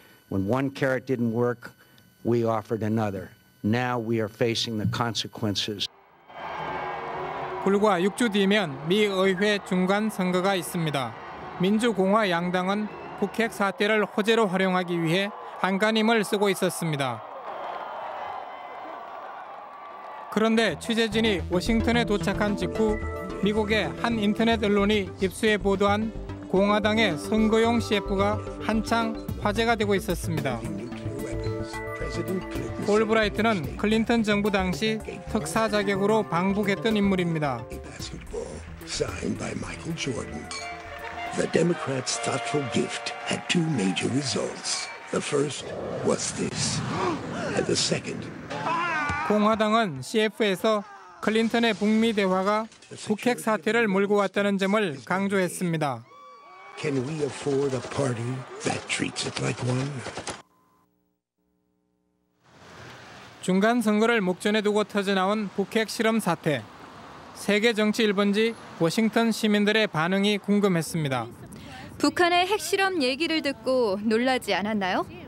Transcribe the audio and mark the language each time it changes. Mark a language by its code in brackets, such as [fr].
[en] When one carrot didn't work, we offered another. Now we are facing the consequences. [ko] 불과 6주 뒤면 미 의회 중간 선거가 있습니다. 민주공화 양당은 북핵 사태를 호재로 활용하기 위해 안간힘을 쓰고 있었습니다. 그런데 취재진이 워싱턴에 도착한 직후 미국의 한 인터넷 언론이 입수해 보도한 공화당의 선거용 CF가 한창 화제가 되고 있었습니다. 올브라이트는 클린턴 정부 당시 특사 자격으로 방북했던 인물입니다. [en] The Democrats' thoughtful gift had two major results. The first was this, and the second. [ko] 공화당은 CF에서 클린턴의 북미 대화가 북핵 사태를 몰고 왔다는 점을 강조했습니다. [en] Can we afford a party that treats it like one? [ko] 중간 선거를 목전에 두고 터져나온 북핵 실험 사태. 세계 정치 1번지 워싱턴 시민들의 반응이 궁금했습니다. 북한의 핵실험 얘기를 듣고 놀라지 않았나요?